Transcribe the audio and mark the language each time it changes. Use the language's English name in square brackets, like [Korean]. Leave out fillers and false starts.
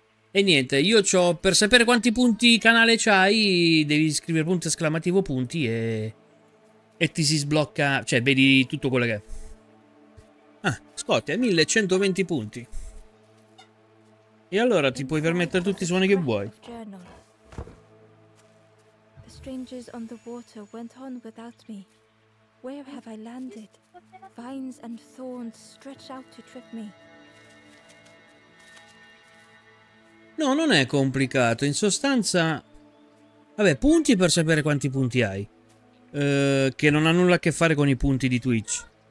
[Italian] E niente, io c'ho, per sapere quanti punti canale c'hai, devi scrivere punto esclamativo punti e ti si sblocca, cioè vedi tutto quello che è. Ah, Scott, è 1120 punti. E allora ti puoi permettere tutti i suoni che vuoi. [English] The strangers on the water went on without me. Where have I landed? Vines and thorns stretch out to trip me. [Italian] No, non è complicato. In sostanza, vabbè, punti per sapere quanti punti hai, che non ha nulla a che fare con i punti di Twitch.